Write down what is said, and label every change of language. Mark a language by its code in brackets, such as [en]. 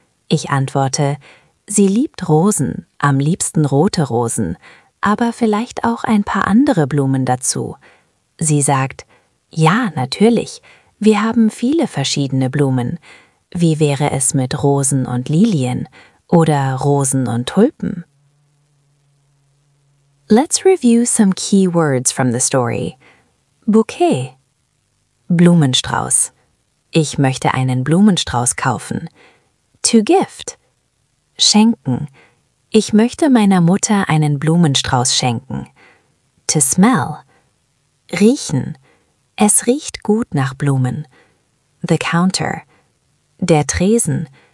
[de] Ich antworte, sie liebt Rosen, am liebsten rote Rosen, aber vielleicht auch ein paar andere Blumen dazu. Sie sagt, ja, natürlich, wir haben viele verschiedene Blumen. Wie wäre es mit Rosen und Lilien? Oder Rosen und Tulpen. [en] Let's review some key words from the story. [de] Bouquet. Blumenstrauß. Ich möchte einen Blumenstrauß kaufen. [en] To gift. [de] Schenken. Ich möchte meiner Mutter einen Blumenstrauß schenken. [en] To smell. [de] Riechen. Es riecht gut nach Blumen. [en] The counter. [de] Der Tresen.